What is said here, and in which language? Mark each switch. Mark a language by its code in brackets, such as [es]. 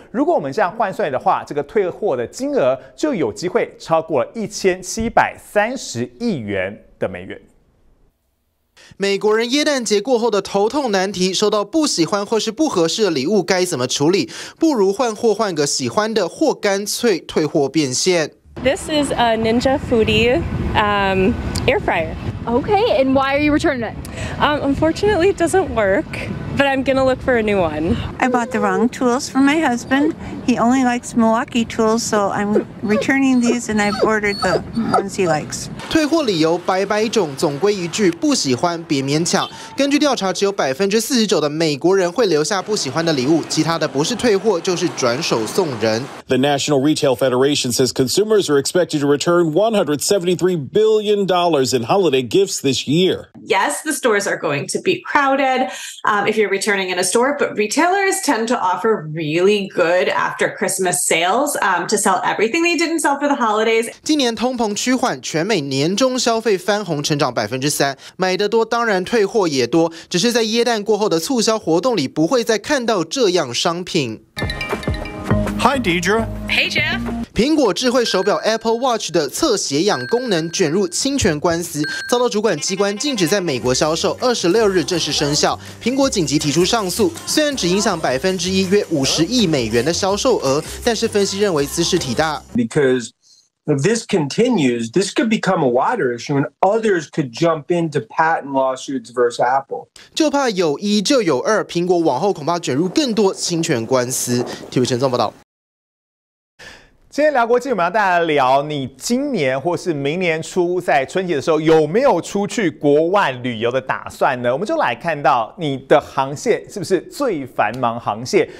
[zh] 如果我们这样换算的话，这个退货的金额就有机会超过了1730亿元的美元。美国人耶诞节过后的头痛难题，收到不喜欢或是不合适的礼物该怎么处理？不如换货，换个喜欢的，或干脆退货变现。 [en] This is a Ninja Foodie air fryer. Okay, and why are you returning it? Unfortunately, it doesn't work, but I'm gonna look for a new one. I bought the wrong tools for my husband. He only likes Milwaukee tools, so I'm returning these, and I've ordered the ones he likes. [zh] 退货理由百百种，总归一句，不喜欢别勉强。根据调查，只有49%的美国人会留下不喜欢的礼物，其他的不是退货就是转手送人。 [en] The National Retail Federation says consumers are expected to return $173 billion in holiday gifts this year. Yes, the stores are going to be crowded, if you're returning in a store, but retailers tend to offer really good after Christmas sales, to sell everything they didn't sell for the holidays. [zh] 今年通膨趋缓，全美年终消费翻红，成长3%，买得多当然退货也多，只是在耶诞过后的促销活动里不会再看到这样商品。 [en] Hi Deidre. Hey Jeff. [zh] 苹果智慧手表 Apple Watch 的测血氧功能卷入侵权官司，遭到主管机关禁止在美国销售，26日正式生效。苹果紧急提出上诉，虽然只影响1%，约50亿美元的销售额，但是分析认为此事体大。 [en] Because if this continues, this could become a wider issue, and others could jump into patent lawsuits versus Apple. [zh] 就怕有一就有二，苹果往后恐怕卷入更多侵权官司。TVB 陈宗报道。今天聊国际，我们要大家聊你今年或是明年初在春节的时候有没有出去国外旅游的打算呢？我们就来看到你的航线是不是最繁忙航线。